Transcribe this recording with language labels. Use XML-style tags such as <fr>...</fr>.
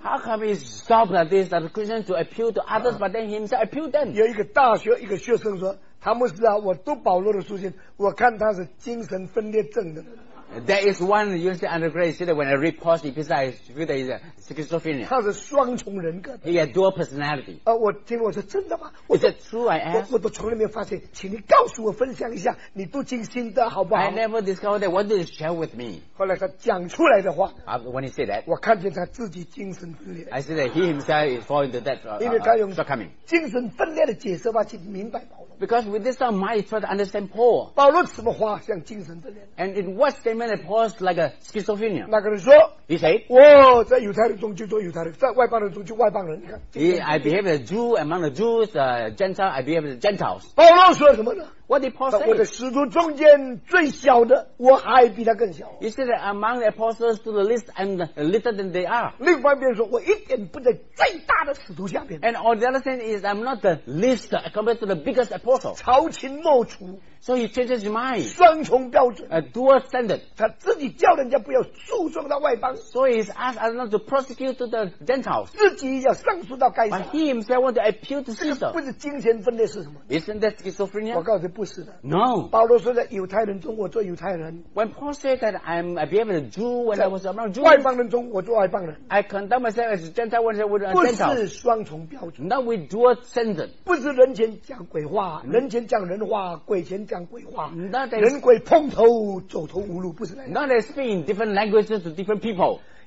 <en>How come he stop like this? That Christians to appeal to others, but then himself appeal them.</en> <zh>有一个大学一个学生说，谭牧师啊，我读保罗的书信，我看他是精神分裂症的。</zh> <en>There is one university undergrad said that when I read Paul's epistle, I feel that he's a schizophrenia.</en> <zh>他是双重人格的。</zh> <en>He has dual personality.</en> <zh>我听我说真的吗？</zh> <en>Is that true? I ask.</en> <zh>我都从来没有发现，请你告诉我分享一下你读经心得好不好？</zh> <en>I never discovered that. What did you share with me?</en> <zh>后来他讲出来的话，</zh> <en>when he said that,</en> <zh>我看见他自己精神分裂。</zh> <en>I said that he himself is falling into that shortcoming.</en> <zh>精神分裂的解释吧，去明白保罗。</zh> <en>Because with this mind, he tried to understand Paul.</en> <zh>保罗什么话像精神分裂？</zh> <en>And in what statement that Paul's like a schizophrenia?</en> <zh>那个人说，</zh> <en>he said,</en> <zh>我在犹太人中就做犹太人，在外邦人中就外邦人。你看，</zh> <en>I behave as a Jew among the Jews, Gentile, I behave as a Gentiles.</en> <zh>保罗说什么呢？</zh> <en>What did Paul say?</en> <zh>我的使徒中间最小的，我还比他更小。</zh> <en>He said that among the apostles to the least, I'm little than they are.</en> <zh>另外一边说，我一点不在最大的使徒下面。</zh> <en>And on the other hand is I'm not the least compared to the biggest apostle.</en> <zh>朝秦莫楚。</zh> <en>So he changes his mind.</en> <zh>双重标准。</zh> <en>A dual standard.</en> <zh>他自己叫人家不要诉状到外邦。</zh> <en>So he's asked us not to prosecute to the Gentiles.</en> <zh>自己要上诉到该撒。</zh> <en>But he himself want to appeal to Caesar.</en> <zh>这个不是精神分裂是什么？</zh> <en>Isn't that schizophrenia?</en> <zh>我告诉你不是的。</zh> <en>No.</en> <zh>保罗说在犹太人中我做犹太人。</zh> <en>When Paul said that I'm a behavior of Jew when I was among Jews.</en> <zh>外邦人中我做外邦人。</zh> <en>I condemn myself as a Gentile when I was a Gentile.</en> <zh>不是双重标准。</zh> <en>Not with dual standard.</en> <zh>不是人前讲鬼话， 人前讲人话， 鬼前讲人话。人鬼碰头，走投无路，不是那样。</zh> <en>Not speak in different languages to different people.</en>